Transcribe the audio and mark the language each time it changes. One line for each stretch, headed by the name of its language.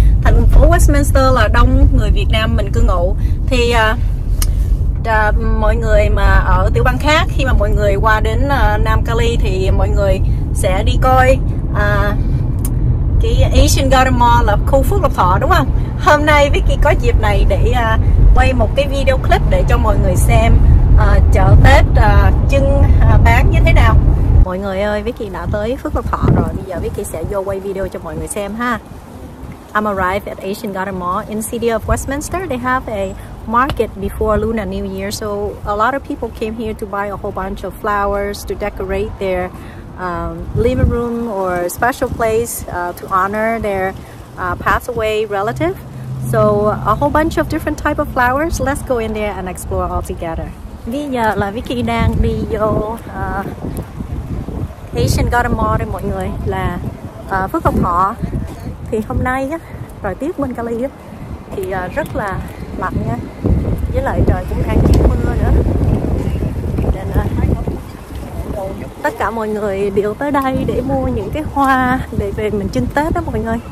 Vietnamese: Thành phố Westminster là đông người Việt Nam mình cư ngụ. Thì mọi người mà ở tiểu bang khác, khi mà mọi người qua đến Nam Cali thì mọi người sẽ đi coi cái Asian Garden Mall là khu Phước Lộc Thọ đúng không? Hôm nay Vicky có dịp này để quay một cái video clip để cho mọi người xem chợ Tết trưng bán như thế nào. Mọi người ơi, Vicky đã tới Phước Lộc Thọ rồi. Bây giờ Vicky sẽ vô quay video cho mọi người xem ha.
English: I'm arrived at Asian Garden Mall in City of Westminster. They have a market before Lunar New Year, so a lot of people came here to buy a whole bunch of flowers to decorate their living room or special place to honor their passed away relative. So a whole bunch of different type of flowers. Let's go in there and explore all together.
Vietnamese: Bây giờ là Vicky đang đi vô Asian Garden Mall đây mọi người, là Phước Lộc Thọ. Thì hôm nay á, thời tiết bên Cali á, thì rất là lạnh nha. Với lại trời cũng đang chuyển mưa nữa. Nên tất cả mọi người đều tới đây để mua những cái hoa để về mình trưng Tết đó mọi người.